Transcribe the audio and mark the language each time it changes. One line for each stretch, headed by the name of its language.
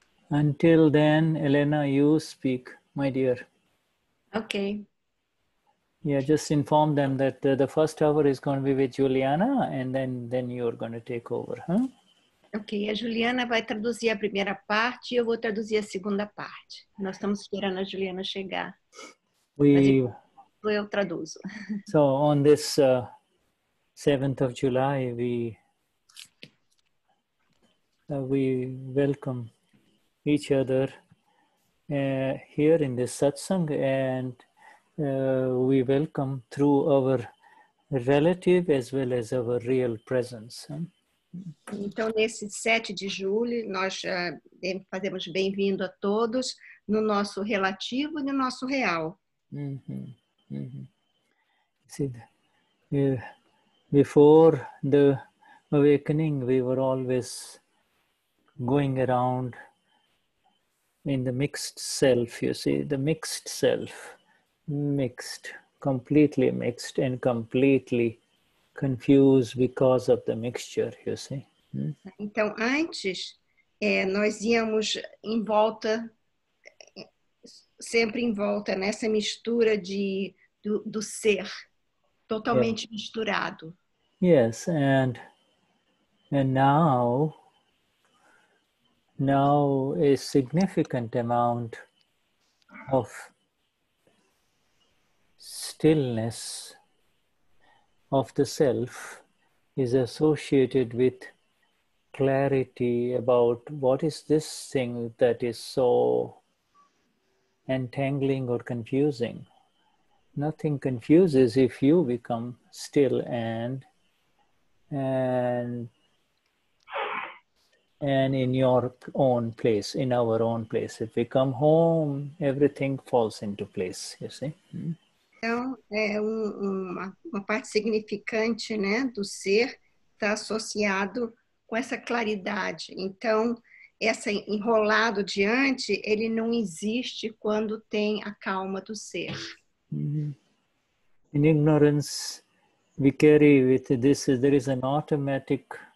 English: Until then, Elena, you speak, my dear. Okay. Yeah, just inform them that the first hour is going to be with Juliana, and then you're going to take over, huh?
Portuguese: Okay, a Juliana vai traduzir a primeira parte e eu vou traduzir a segunda parte. Nós estamos esperando a Juliana chegar.
English: We,
Portuguese: Mas eu traduzo.
English: so on this 7th of July, we welcome each other here in this satsang, and we welcome through our relative as well as our real presence.
Portuguese: Então, nesse 7 de julho, nós fazemos bem-vindo a todos no nosso relativo e no nosso real. Uhum. Uhum.
English: See, before the awakening, we were always going around in the mixed self, you see, the mixed self, mixed, completely mixed and completely confused because of the mixture, you see. Hmm?
Portuguese: Então, antes, é, nós íamos em volta, sempre em volta nessa mistura de, do ser, totalmente yeah. misturado.
English: Yes, and now... Now a significant amount of stillness of the self is associated with clarity about what is this thing that is so entangling or confusing. Nothing confuses if you become still and in your own place, in our own place. If we come home, everything falls into place, you see? Hmm?
Portuguese: Então, é uma parte significante, né, do ser está associado com essa claridade. Então, esse enrolado diante, ele não existe quando tem a calma do ser. Mm-hmm.
English: In ignorance, we carry with this, there is an automatic...